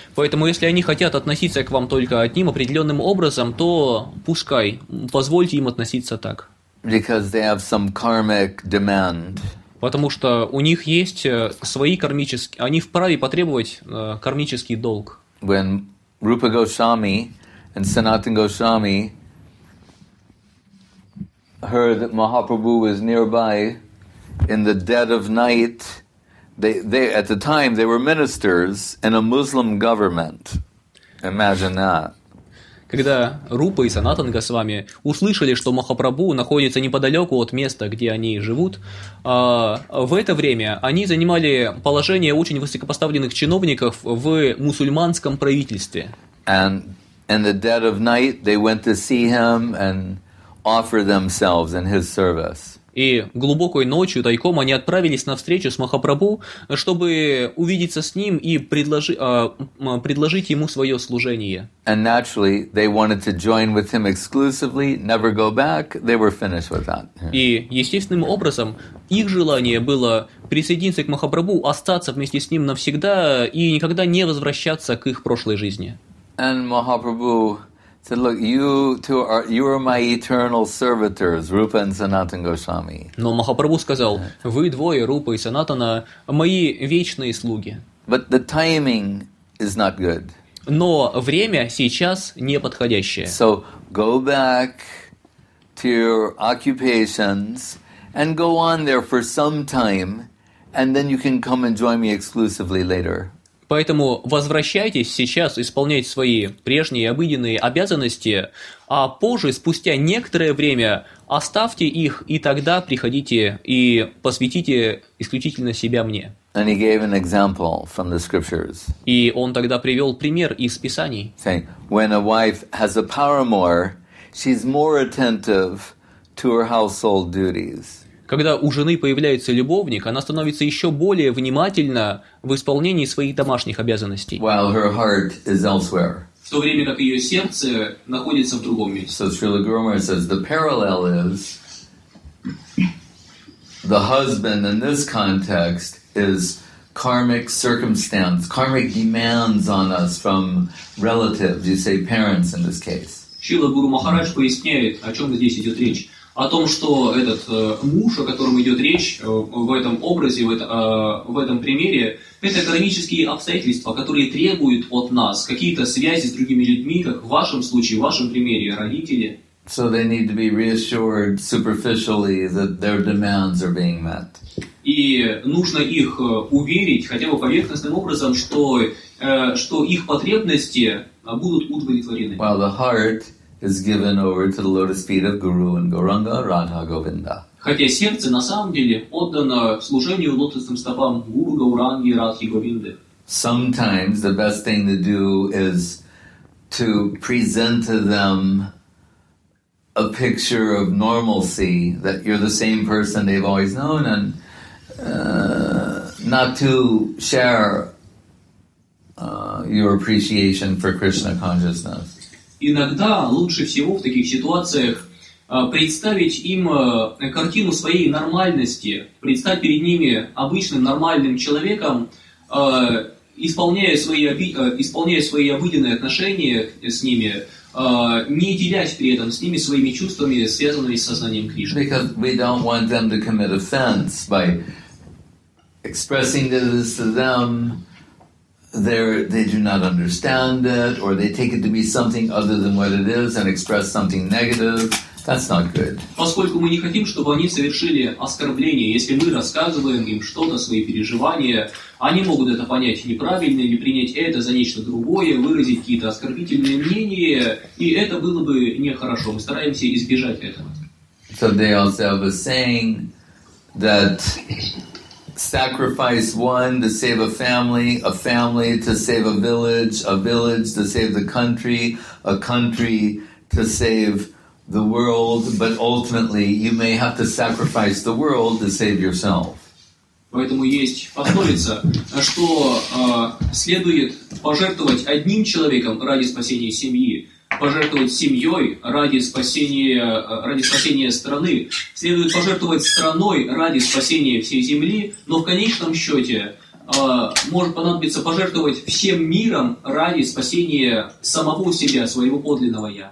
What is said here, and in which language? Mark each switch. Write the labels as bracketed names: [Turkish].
[Russian] Поэтому, если они хотят относиться к вам только одним определенным образом, то пускай. Позвольте им относиться так. [English] Because they have some karmic demand. [Russian] Потому что у них есть свои кармические... Они вправе потребовать кармический долг. [English] When Rupa Goswami and Sanatan Goswami heard that Mahaprabhu was nearby in the dead of night, they at the time they were ministers in a Muslim government. Imagine that. [Russian] Когда Рупа и Санатан Госвами услышали, что Махапрабху находится неподалеку от места, где они живут, в это время они занимали положение очень высокопоставленных чиновников в мусульманском правительстве. [English] And in the dead of night they went to see him and offer themselves in his service. [Russian] И глубокой ночью тайком они отправились на встречу с Махапрабху, чтобы увидеться с ним и предложить ему свое служение. [English] And naturally, they wanted to join with him exclusively, never go back. They were finished with that. [Russian] И естественным образом их желание было присоединиться к Махапрабху, остаться вместе с ним навсегда и никогда не возвращаться к их прошлой жизни. [English] And Махапрабху said, look, you are my eternal servitors, Rupa and Sanatan Goswami. [Russian] Но Махапрабху сказал, вы двое, Рупа и Санатана, мои вечные слуги. [English] But the timing is not good. [Russian] Но время сейчас неподходящее. [English] So go back to your occupations and go on there for some time, and then you can come and join me exclusively later. [Russian] Поэтому возвращайтесь сейчас исполнять свои прежние обыденные обязанности, а позже, спустя некоторое время, оставьте их, и тогда приходите и посвятите исключительно себя мне. [English] And he gave an example from the scriptures. [Russian] И он тогда привел пример из Писаний. [English] Saying, when a wife has a paramour, she's more attentive to her household duties. [Russian] Когда у жены появляется любовник, она становится еще более внимательна в исполнении своих домашних обязанностей. [English] While her heart is elsewhere. [Russian] В то время как ее сердце находится в другом месте. [English] So Srila Guru Maharaj says, the parallel is the husband in this context is karmic circumstance, karmic demands on us from relatives, you say parents in this case. [Russian] Srila Guru Maharaj поясняет, о чем здесь идет речь. О том, что этот муж, о котором идет речь в этом образе, в этом примере, это кармические обстоятельства, которые требуют от нас какие-то связи с другими людьми, как в вашем случае, в вашем примере, родители. [English] So they need to be reassured superficially that their demands are being met. [Russian] И нужно их уверить хотя бы поверхностным образом, что их потребности будут удовлетворены. [English] While the heart is given over to the lotus feet of Guru and Gauranga, Radha Govinda. [Russian] Хотя сердце на самом деле отдано служению лотосным стопам Гуру Гауранги и Радхи Говинды. [English] Sometimes the best thing to do is to present to them a picture of normalcy, that you're the same person they've always known, and not to share your appreciation for Krishna consciousness. [Russian] Иногда лучше всего в таких ситуациях представить им картину своей нормальности, представить перед ними обычным нормальным человеком, исполняя свои обыденные отношения с ними, не делясь при этом с ними своими чувствами, связанными с сознанием Кришны. [English] Because we don't want them to commit offense by expressing this to them. They do not understand it, or they take it to be something other than what it is and express something negative. That's not good. [Russian] Поскольку мы не хотим, чтобы они совершили оскорбление, если мы рассказываем им что-то, свои переживания, они могут это понять неправильно или принять это за нечто другое, выразить какие-то оскорбительные мнения, и это было бы нехорошо. Мы стараемся избежать этого. [English] So they also were saying that sacrifice one to save a family to save a village to save a country to save the world, but ultimately you may have to sacrifice the world to save yourself. [Russian] Поэтому есть пословица, что следует пожертвовать одним человеком ради спасения семьи, пожертвовать семьей ради спасения страны, следует пожертвовать страной ради спасения всей земли, но в конечном счете может понадобиться пожертвовать всем миром ради спасения самого себя, своего подлинного «я».